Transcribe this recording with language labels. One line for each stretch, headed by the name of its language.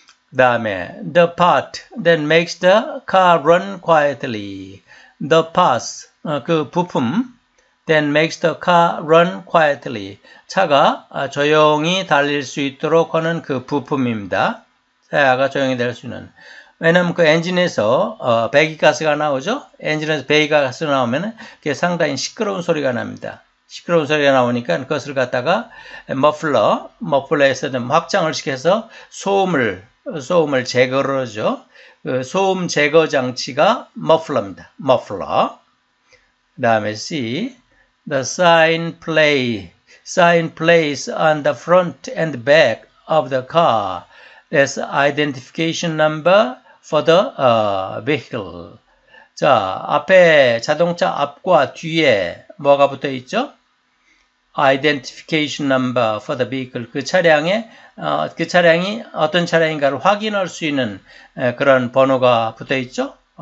Korean: 그 다음에,
English: the part that makes the car run quietly. The parts,
Korean: 그 부품,
English: that makes the car run quietly.
Korean: 차가 조용히 달릴 수 있도록 하는 그 부품입니다. 차가 조용히 달릴 수 있는. 왜냐면 그 엔진에서 배기가스가 나오죠? 엔진에서 배기가스 나오면 그게 상당히 시끄러운 소리가 납니다. 시끄러운 소리가 나오니까 그것을 갖다가 머플러에서 확장을 시켜서 소음을 제거를 하죠. 그 소음 제거 장치가 머플러입니다. 머플러. 그 다음에 C.
English: The sign plate. Sign plates on the front and back of the car. That's identification number for the vehicle.
Korean: 자, 앞에 자동차 앞과 뒤에 뭐가 붙어 있죠?
English: Identification number for the vehicle.
Korean: 그 차량에 그 차량이 어떤 차량인가를 확인할 수 있는 그런 번호가 붙어 있죠?